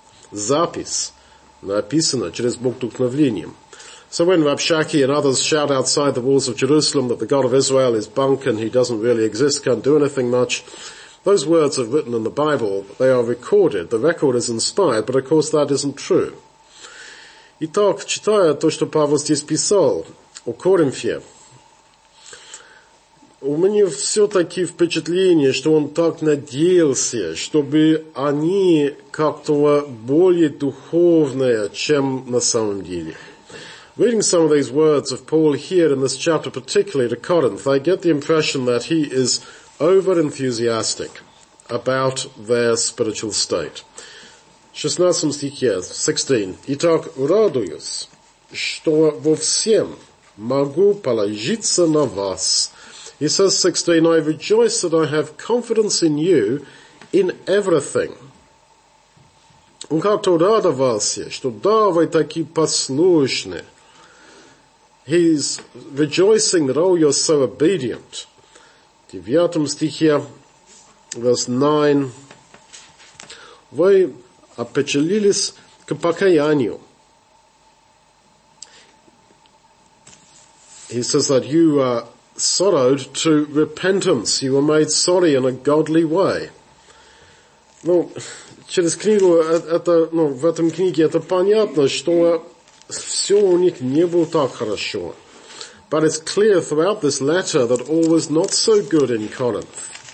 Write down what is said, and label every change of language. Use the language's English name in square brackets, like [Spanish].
[Russian] Запись написана через Бог вдохновлением. [English] So when Rabshakeh and others shout outside the walls of Jerusalem that the God of Israel is bunk and he doesn't really exist, can't do anything much, those words are written in the Bible, they are recorded, the record is inspired, but of course that isn't true. [Russian] Итак, читая то, что Павел здесь писал о Коринфе, у меня все-таки впечатление, что он так надеялся, чтобы они как-то более духовные, чем на самом деле. [English] Reading some of these words of Paul here in this chapter, particularly to Corinth, I get the impression that he is over-enthusiastic about their spiritual state. 16. [Russian] Итак, радуюсь, что во всем могу положиться на вас. [English] He says, 16, I rejoice that I have confidence in you in everything. [Russian] Он как-то радовался, что да, вы такие послушные. [English] He's rejoicing that, oh, you're so obedient. [Russian] Девятом стихе, [English] verse 9. [Russian] Вы опечалились к покаянию. [English] He says that you are sorrowed to repentance. You were made sorry in a godly way. [Russian] Ну, через книгу, это, ну, в этом книге это понятно, что все у них не было так хорошо. [English] But it's clear throughout this letter that all was not so good in Corinth.